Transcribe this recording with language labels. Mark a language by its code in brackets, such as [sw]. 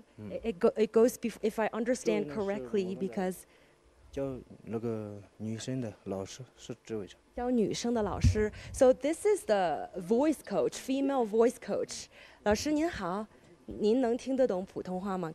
[en] It goes before, if I understand correctly, because [zh] 教那个女生的老师是这位教女生的老师。 [en] So this is the voice coach, female voice coach. [zh] 老师您好，您能听得懂普通话吗？